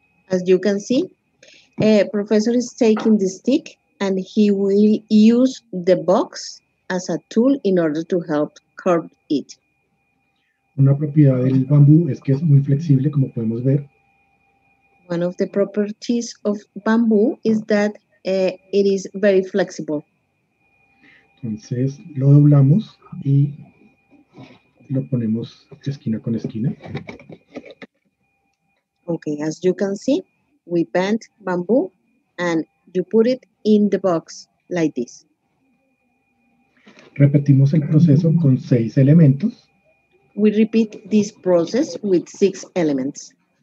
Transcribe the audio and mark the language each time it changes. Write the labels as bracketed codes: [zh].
[en] As you can see, professor is taking the stick and he will use the box as a tool in order to help curve it. [es] Una propiedad del bambú es que es muy flexible, como podemos ver. [en] One of the properties of bamboo is that it is very flexible. [es] Entonces, lo doblamos y lo ponemos esquina con esquina. [en] Okay, as you can see, we bent bamboo and you put it in the box like this. [es] Repetimos el proceso con 6 elementos. [en] We repeat this process with 6 elements.